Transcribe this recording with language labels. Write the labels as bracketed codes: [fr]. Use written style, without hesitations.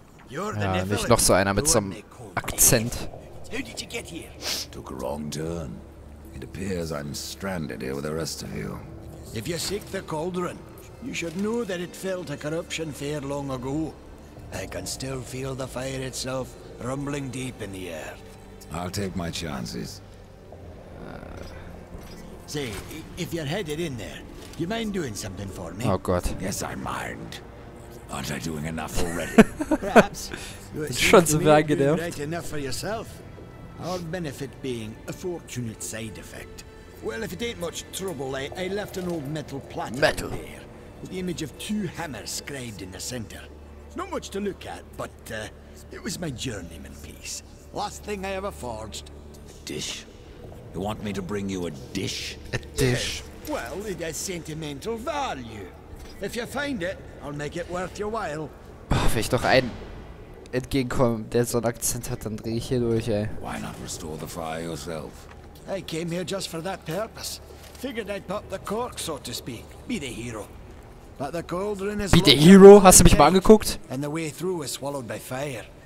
[de] Ja, nicht noch so einer mit so einem Akzent. [en] How did you get here? Took a wrong turn. It appears I'm stranded here with the rest of you. If you seek the cauldron, you should know that it fell to corruption fair long ago. I can still feel the fire itself rumbling deep in the earth. I'll take my chances. Say, if you're headed in there, do you mind doing something for me? Oh God. Yes, I mind. Aren't I doing enough already? Perhaps. You are doing right enough for yourself. Our benefit being a fortunate side effect. Well, if it ain't much trouble, I left an old metal platter there. With the image of two hammers scribed in the center. Not much to look at, but it was my journeyman piece. Last thing I ever forged. A dish? You want me to bring you a dish? A dish? Yeah. Well, it has sentimental value. If you find it, I'll make it worth your while. [de] Oh, wenn ich doch einen entgegenkommen, der so einen Akzent hat, dann drehe ich hier durch, ey. [en] Why not restore the fire yourself? I came here just for that purpose. Figured I'd pop the cork, so to speak. Be the hero. But the cauldron is... Be the hero? [de] Hast du mich mal angeguckt? [en] And the way through is swallowed by fire.